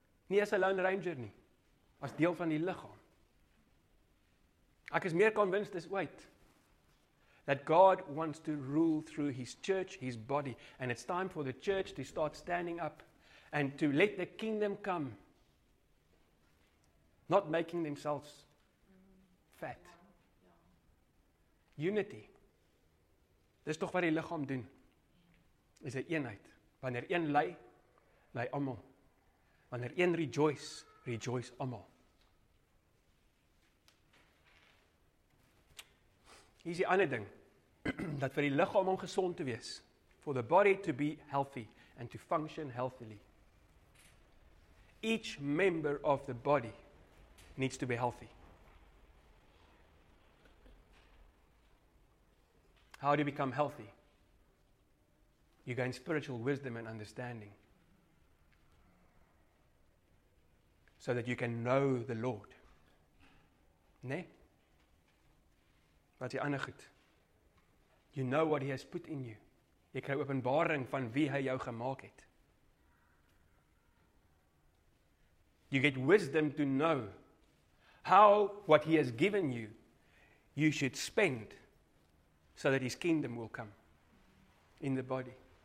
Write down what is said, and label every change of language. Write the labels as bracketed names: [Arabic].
[Afrikaans] Nie as 'n [English] lone ranger [Afrikaans] nie, as deel van die liggaam. Ek is meer [English] convinced this way, that God wants to rule through His church, His body, and it's time for the church to start standing up and to let the kingdom come, not making themselves fat. Unity. [Afrikaans] Dis toch wat die liggaam doen, is 'n eenheid. Wanneer een ly, ly allemaal. Wanneer een rejoice, rejoice allemaal. Hier is die ander ding, dat vir die liggaam om gesond te wees, [English] for the body to be healthy and to function healthily. Each member of the body needs to be healthy. How do you become healthy? You gain spiritual wisdom and understanding so that you can know the Lord. [Afrikaans] Nee? Wat is ander goed? [English] You know what he has put in you. [Afrikaans] Jy kry openbaring van wie hy jou gemaak het. [English] You get wisdom to know how what he has given you, you should spend so that his kingdom will come in the body.